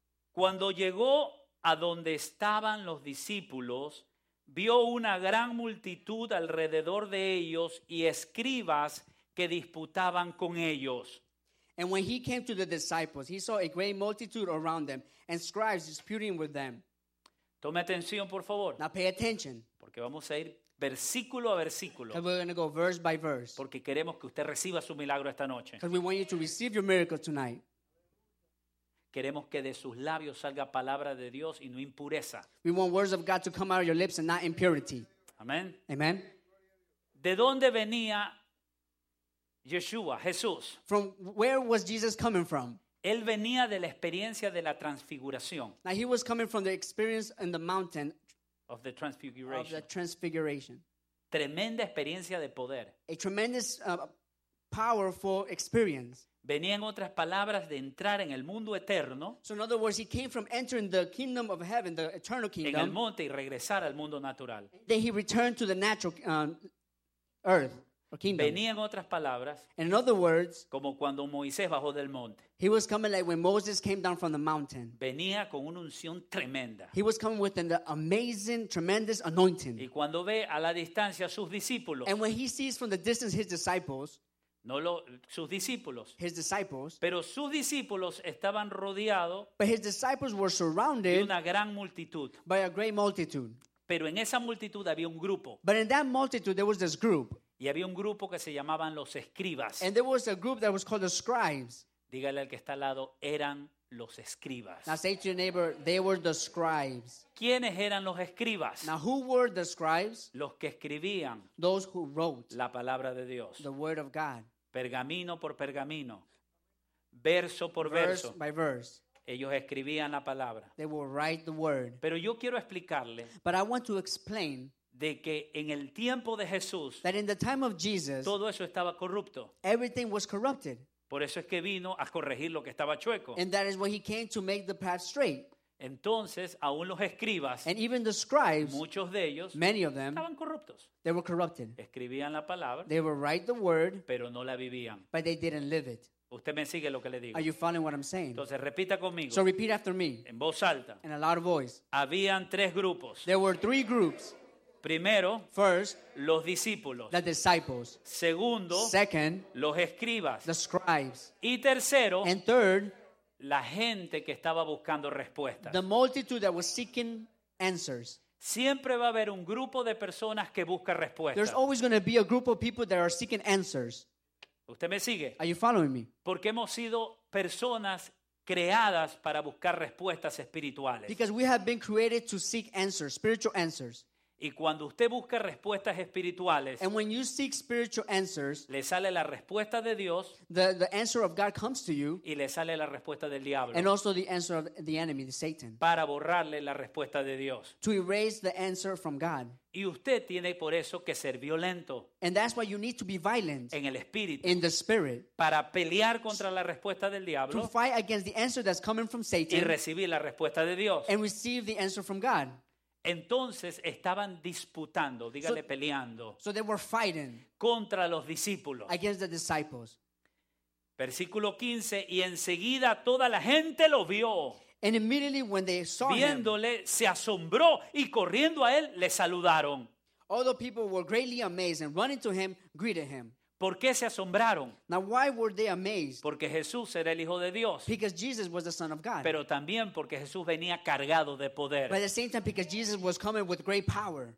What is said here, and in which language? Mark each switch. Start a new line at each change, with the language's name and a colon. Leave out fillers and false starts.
Spanish: Cuando llegó a donde estaban los discípulos, vio una gran multitud alrededor de ellos y escribas que disputaban con ellos.
English: And when he came to the disciples, he saw a great multitude around them and scribes disputing with them.
Spanish: Tome atención, por favor.
English: Now pay attention.
Spanish: Porque vamos a ir versículo a versículo.
English: And we're going to go verse by verse.
Spanish: Porque queremos que usted reciba su milagro esta noche.
English: Because we want you to receive your miracle tonight.
Spanish: Queremos que de sus labios salga palabra de Dios y no impureza.
English: We want words of God to come out of your lips and not impurity.
Spanish: Amen.
English: Amen.
Spanish: ¿De dónde venía Yeshua, Jesús?
English: From where was Jesus coming from?
Spanish: Él venía de la experiencia de la transfiguración.
English: Now he was coming from the experience in the mountain. Of the transfiguration. Of the transfiguration.
Spanish: Tremenda experiencia de poder.
English: A tremendous powerful experience.
Spanish: Venía, en otras palabras, de entrar en el mundo eterno.
English: So in other words, he came from entering the kingdom of heaven, the eternal kingdom.
Spanish: En el monte y regresar al mundo natural.
English: Then he returned to the natural earth or kingdom.
Spanish: Venía, en otras palabras.
English: And in other words,
Spanish: como cuando Moisés bajó del monte.
English: He was coming like when Moses came down from the mountain.
Spanish: Venía con una unción tremenda.
English: He was coming with an amazing, tremendous anointing.
Spanish: Y cuando ve a la distancia sus discípulos.
English: And when he sees from the distance his disciples.
Spanish: No lo, sus discípulos.
English: His disciples.
Spanish: Pero sus discípulos estaban rodeados.
English: But his disciples were surrounded.
Spanish: De una gran multitud.
English: By a great multitude.
Spanish: Pero en esa multitud había un grupo.
English: But in that multitude there was this group.
Spanish: Y había un grupo que se llamaban los escribas.
English: And there was a group that was called the scribes.
Spanish: Dígale al que está al lado, eran los escribas.
English: Now say to your neighbor, they were the scribes.
Spanish: ¿Quiénes eran los escribas?
English: Now who were the scribes?
Spanish: Los que escribían.
English: Those who wrote.
Spanish: La palabra de Dios.
English: The word of God.
Spanish: Pergamino por pergamino. Verso por verso.
English: Verse by verse.
Spanish: Ellos escribían la palabra.
English: They would write the word.
Spanish: Pero yo quiero explicarle.
English: But I want to explain.
Spanish: De que en el tiempo de Jesús.
English: That in the time of Jesus.
Spanish: Todo eso estaba corrupto.
English: Everything was corrupted.
Spanish: Por eso es que vino a corregir lo que estaba chueco.
English: And that is when he came to make the path straight.
Spanish: Entonces, aún los escribas,
English: and even the scribes,
Spanish: muchos de ellos,
English: many of them,
Spanish: estaban corruptos.
English: They were corrupted.
Spanish: Escribían la palabra,
English: they would write the word,
Spanish: pero no la vivían.
English: But they didn't live it.
Spanish: ¿Usted me sigue lo que le digo?
English: Are you following what I'm saying?
Spanish: Entonces, repita conmigo.
English: So repeat after me.
Spanish: En voz alta.
English: In a loud voice.
Spanish: Habían tres grupos.
English: There were three groups.
Spanish: Primero,
English: first,
Spanish: los discípulos.
English: The disciples.
Spanish: Segundo,
English: second,
Spanish: los escribas.
English: The scribes.
Spanish: Y tercero,
English: and third,
Spanish: la gente que estaba buscando respuestas.
English: The multitude that was seeking answers.
Spanish: Siempre va a haber un grupo de personas que busca respuestas.
English: There's always going to be a group of people that are seeking answers.
Spanish: ¿Usted me sigue?
English: Are you following me?
Spanish: Porque hemos sido personas creadas para buscar respuestas espirituales.
English: Because we have been created to seek answers, spiritual answers.
Spanish: Y cuando usted busca respuestas espirituales,
English: and when you seek spiritual answers,
Spanish: le sale la respuesta de Dios,
English: the answer of God comes to you,
Spanish: y le sale la respuesta del diablo,
English: and also the answer of the enemy, the Satan,
Spanish: para borrarle la respuesta de Dios,
English: to erase the answer from God.
Spanish: Y usted tiene por eso que ser violento,
English: and that's why you need to be violent,
Spanish: en el espíritu,
English: in the spirit,
Spanish: para pelear contra la respuesta del diablo,
English: to fight against the answer that's coming from Satan,
Spanish: y recibir la respuesta de Dios,
English: and receive the answer from God.
Spanish: Entonces estaban disputando, dígale, peleando,
English: so they were fighting
Spanish: contra los discípulos,
English: against the disciples.
Spanish: Versículo 15, y enseguida toda la gente lo vio,
English: and immediately when they saw
Spanish: viéndole,
English: him,
Spanish: se asombró y corriendo a él le saludaron.
English: All the people were greatly amazed and running to him, greeted him.
Spanish: ¿Por qué se asombraron?
English: Now, why were they amazed?
Spanish: Porque Jesús era el Hijo de Dios.
English: Because Jesus was the Son of God.
Spanish: Pero también porque Jesús venía cargado de poder.
English: But at the same time, because Jesus was coming with great power.